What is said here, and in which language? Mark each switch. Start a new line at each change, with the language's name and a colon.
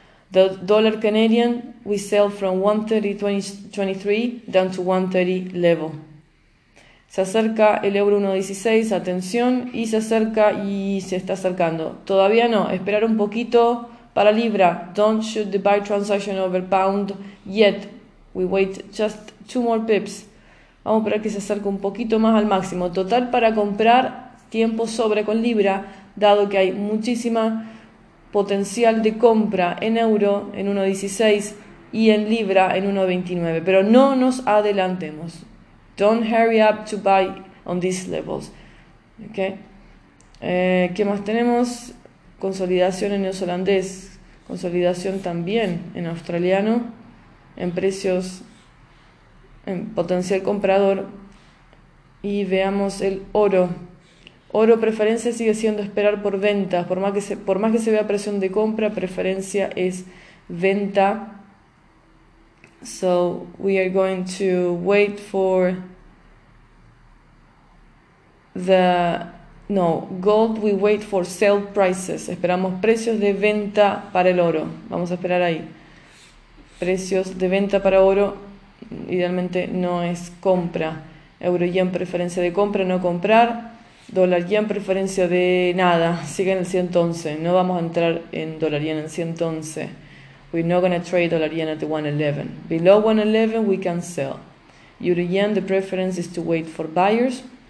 English: The dollar Canadian, we sell from 1,30,23 down to 1,30 level.
Spanish: Se acerca el euro 1,16, atención, y se acerca y se está acercando. Todavía no, esperar un poquito para libra.
English: Don't shoot the buy transaction over pound yet. We wait just two more pips.
Spanish: Vamos a esperar que se acerque un poquito más al máximo. Total para comprar, tiempo sobre con libra, dado que hay muchísima potencial de compra en euro en 1,16 y en libra en 1,29. Pero no nos adelantemos.
English: Don't hurry up to buy on these levels.
Spanish: Okay. ¿Qué más tenemos? Consolidación en neozelandés. Consolidación también en australiano. En precios. En potencial comprador. Y veamos el oro. Oro preferencia sigue siendo esperar por venta. Por más que se vea presión de compra, preferencia es venta.
English: So we are going to wait for the. No, gold, we wait for sell prices.
Spanish: Esperamos precios de venta para el oro. Vamos a esperar ahí. Precios de venta para oro, idealmente no es compra. Euro yen preferencia de compra, no comprar. Dólar yen preferencia de nada, sigue en el 111. No vamos a entrar en dólar yen en 111.
English: We're not going to trade dólar yen at the 111. Below 111, we can sell. Euro yen, the preference is to wait for buyers.